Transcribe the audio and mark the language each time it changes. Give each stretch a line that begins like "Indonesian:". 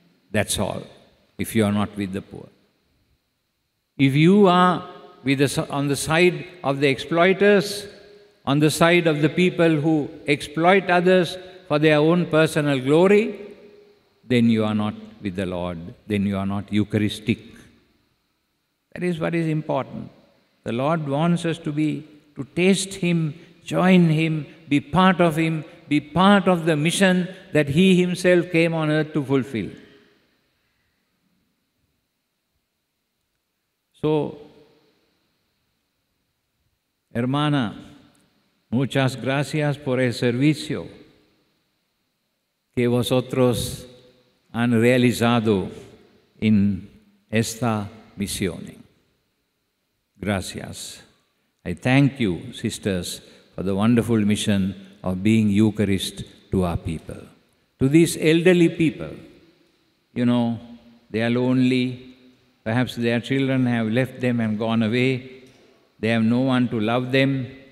English: That's all, if you are not with the poor. If you are on the side of the exploiters, on the side of the people who exploit others for their own personal glory, then you are not with the Lord, then you are not Eucharistic. That is what is important. The Lord wants us to be, to taste Him, join Him, be part of Him, be part of the mission that He Himself came on earth to fulfill.
Spanish: So, hermana, muchas gracias por el servicio que vosotros han realizado en esta misión. Gracias.
English: I thank you, sisters, for the wonderful mission of being Eucharist to our people. To these elderly people, you know, they are lonely. Perhaps their children have left them and gone away. They have no one to love them.